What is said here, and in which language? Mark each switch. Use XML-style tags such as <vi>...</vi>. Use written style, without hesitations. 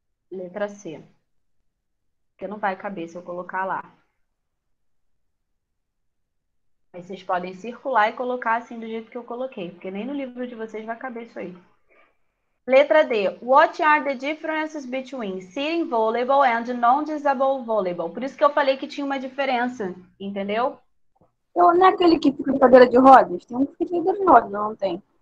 <pt>Letra C. Porque não vai caber se eu colocar lá. Aí vocês podem circular e colocar assim do jeito que eu coloquei, porque nem no livro de vocês vai caber isso aí. Letra D.</pt> <en>What are the differences between sitting volleyball and non-disabled volleyball?</en> <pt>Por isso que eu falei que tinha uma diferença, entendeu? Eu, não é aquele que fica em cadeira de rodas? Tem um que fica em cadeira de rodas, não tem.</pt>